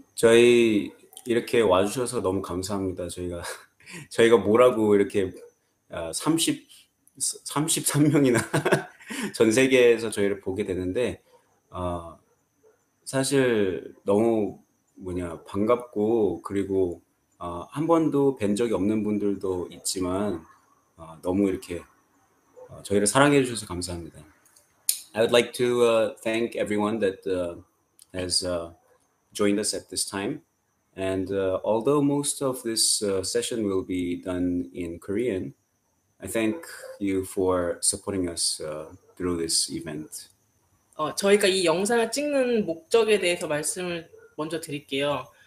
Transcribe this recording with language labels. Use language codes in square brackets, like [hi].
[ko] 저희 이렇게 와주셔서 너무 감사합니다. 저희가 뭐라고 이렇게 33명이나 전 세계에서 저희를 보게 되는데, 사실 너무 뭐냐, 반갑고, 그리고 한 번도 뵌 적이 없는 분들도 있지만, 너무 이렇게 저희를 사랑해 주셔서 감사합니다. [en] I would like to thank everyone that has joined us at this time. And although most of this session will be done in Korean, I thank you for supporting us through this event. [ko] 저희가 이 영상을 찍는 목적에 대해서 말씀을 먼저 드릴게요.